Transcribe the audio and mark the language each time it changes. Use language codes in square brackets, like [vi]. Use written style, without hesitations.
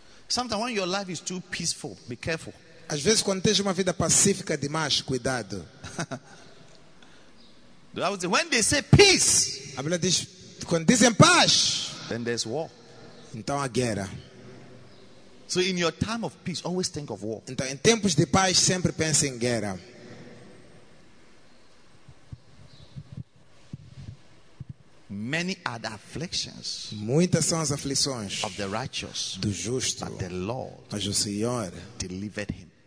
[en] Sometimes when your life is too peaceful, be careful. [pt] Às vezes quando tens uma vida pacífica demais, cuidado. [en] When they say peace, [pt] a Bíblia diz quando dizem paz. [en] Then there's war. [pt] Então há guerra. [en] So in your time of peace, always think of war. [pt] Então em tempos de paz sempre pense em guerra. [en] Many are the afflictions. [pt] Muitas são as aflições [en] of the righteous. [pt] Do justo. [en] But the Lord, [pt] mas o Senhor, [en] delivered him.